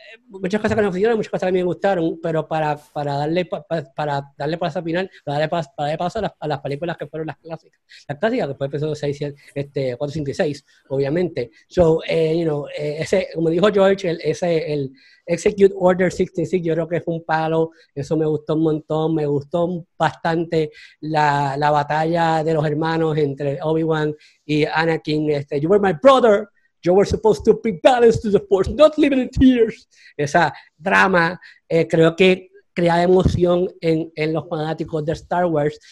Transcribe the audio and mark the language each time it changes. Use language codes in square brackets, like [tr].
[es] muchas cosas que no funcionaron, muchas cosas que a mí me gustaron, pero para darle paso al final, para darle paso a las películas que fueron las clásicas, que fue el episodio 6, 7, 4, 5 y 6, obviamente. So, ese, como dijo George, el Execute Order 66, yo creo que fue un palo, eso me gustó un montón, me gustó bastante la batalla de los hermanos entre Obi-Wan y Anakin. [en] You were my brother. You were supposed to be balanced to the force, not living in tears. [es] Esa drama, creo que crea emoción en los fanáticos de Star Wars.